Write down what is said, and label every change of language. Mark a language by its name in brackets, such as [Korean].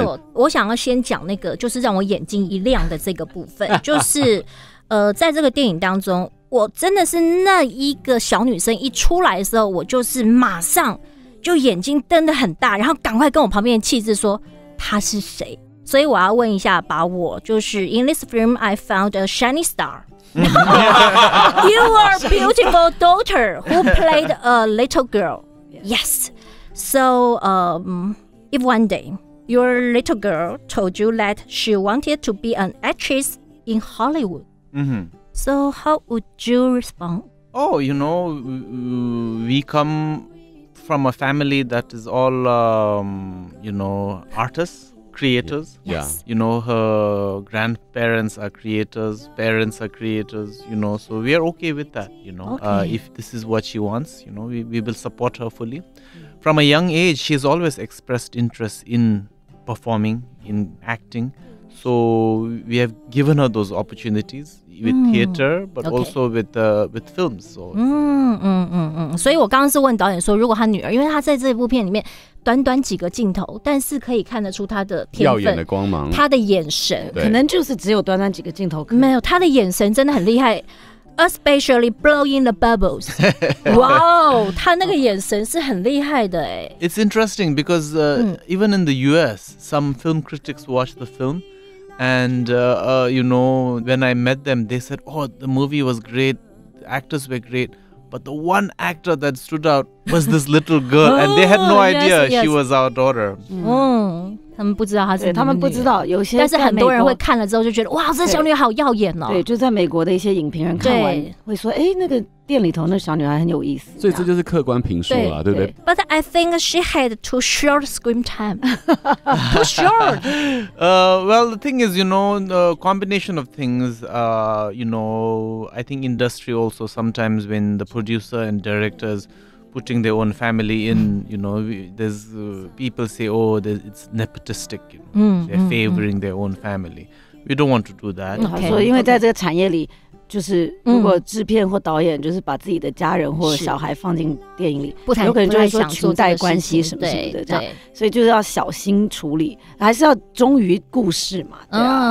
[Chinese] 没错，我想要先讲那个就是让我眼睛一亮的这个部分就是在这个电影当中，我真的是那一个小女生一出来的时候，我就是马上就眼睛瞪得很大，然后赶快跟我旁边的气质说她是谁。所以我要问一下，把我就是 [English] In this film I found a shiny starYou are a beautiful daughter who played a little girl. Yes. So, if one day your little girl told you that she wanted to be an actress in Hollywood,、so how would you respond? Oh, you know, we come from a family that is all,、you know, artists. Creators, yes. You know, her grandparents are creators, parents are creators, you know, so we are okay with that, you know. Okay. If this is what she wants, you know, we will support her fully. From a young age, she has always expressed interest in performing, in acting. So we have given her those opportunities with theater, but also with films. So. [Chinese] 所以我刚刚是问导演说，如果他女儿，因为他在这部片里面。短短几个镜头，但是可以看得出他的天分，耀眼的光芒，他的眼神，可能就是只有短短几个镜头，没有他的眼神真的很厉害， [English] especially blowing the bubbles， [Chinese] 哇哦，他那个眼神是很厉害的哎。 [English] It's interesting because even in the U.S., some film critics watch the film. You know, when I met them, they said, oh, the movie was great, the actors were great, but the one actor that stood out was this little girl, and they had no idea yes, she was our daughter. [Chinese] 他们不知道她是女儿，他们不知道，有些，但是很多人会看了之后就觉得，哇，这小女孩好耀眼哦。对，就在美国的一些影评人看完会说，那个店里头那小女孩很有意思。所以这就是客观评说了，对不对？ [English] But I think she had too short screen time. Too short. Well, the thing is, you know, the combination of things, you know, I think industry also sometimes when the producer and directors. Putting their own family in, you know, there's people say, oh, it's nepotistic. You know? They're favoring their own family. We don't want to do that. Okay. [Chinese] 所以因为在这个产业里，就是如果制片或导演就是把自己的家人或小孩放进电影里，有可能就会说裙带关系什么什么的这样，所以就是要小心处理，还是要忠于故事嘛。對啊、